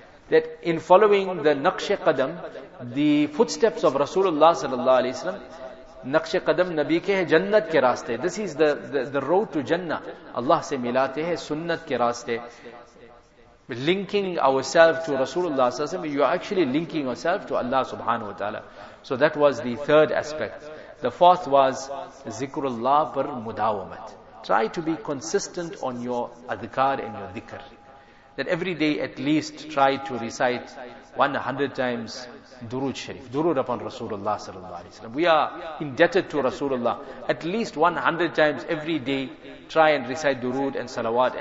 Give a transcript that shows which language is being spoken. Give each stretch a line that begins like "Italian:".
English: That in following the naqshe qadam, the footsteps of Rasulullah sallallahu alayhi wa sallam,
Urdu: نقش قدم نبی کے ہیں جنت کے راستے.
English: This is the road to Jannah.
Urdu: Allah سے ملاتے ہیں سنت کے راستے.
English: Linking ourselves to Rasulullah
Arabic: صلی اللہ علیہ وسلم,
English: you are actually linking yourself to Allah
Arabic: سبحانہ وتعالی.
English: So that was the third aspect. The fourth was
Urdu: ذکر اللہ پر مداومت.
English: Try to be consistent on your adhikar and your dhikr. That every day at least try to recite 100 times Durood Sharif, Durood upon Rasulullah sallallahu alayhi wa sallam. We are indebted to Rasulullah. At least 100 times every day, try and recite Durood and Salawat.